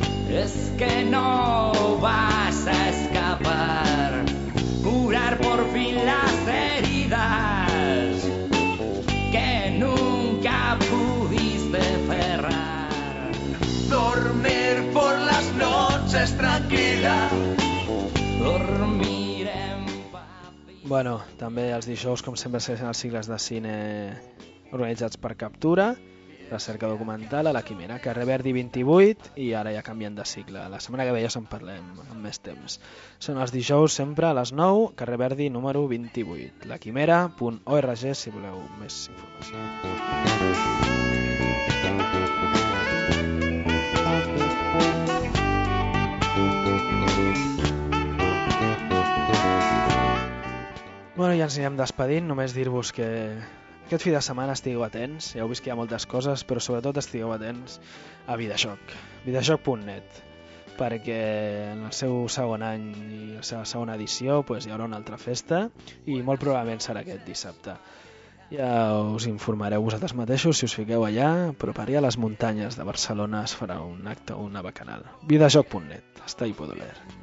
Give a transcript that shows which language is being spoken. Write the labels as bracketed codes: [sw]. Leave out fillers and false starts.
[es] Es que no vas a escapar, curar por fin las heridas que nunca pudiste cerrar. Dormir por las noches tranquila, dormir en paz. [ca] Bueno, també els dijous, com sempre, segueixen els cicles de cine organitzats per Captura, recerca documental, a la Quimera, carrer Verdi 28, i ara ja canviem de cicle. La setmana que ve ja se'n parlem amb més temps. Són els dijous sempre a les 9, carrer Verdi número 28. laquimera.org si voleu més informació. Bueno, ja ens anirem despedint, només dir-vos que aquest fi de setmana estigueu atents, ja heu vist que hi ha moltes coses, però sobretot estigueu atents a Vidashoc, vidashoc.net, perquè en el seu segon any i la seva segona edició pues, hi haurà una altra festa, i molt probablement serà aquest dissabte. Ja us informareu vosaltres mateixos si us fiqueu allà, però per allà a les muntanyes de Barcelona es farà un acte, una bacanal. [es] Vidashoc.net, hasta ahí puedo leer.